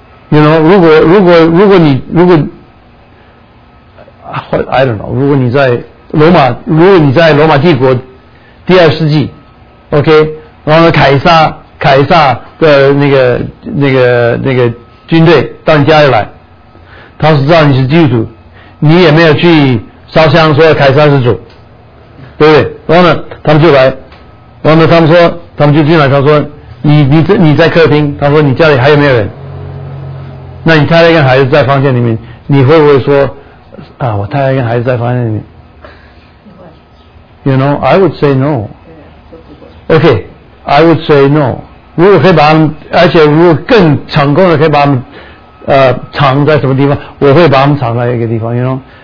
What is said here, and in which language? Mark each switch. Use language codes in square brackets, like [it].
[zh] You know， 如果你在罗马帝国第二世纪 OK， 然后凯撒的那个军队到你家里来，他是知道你是基督徒，你也没有去烧香说凯撒是主，对不对？然后呢他们就来，然后呢他们就进来，他说你在客厅，他说你家里还有没有人，那你太太跟孩子在房间里面，你会不会说啊我太太跟孩子在房间里面？ [en] You know I would say no， OK I would say no。 [zh] 如果可以把他们，而且如果更成功的可以把他们藏在什么地方，我会把他们藏在一个地方， [en] You know。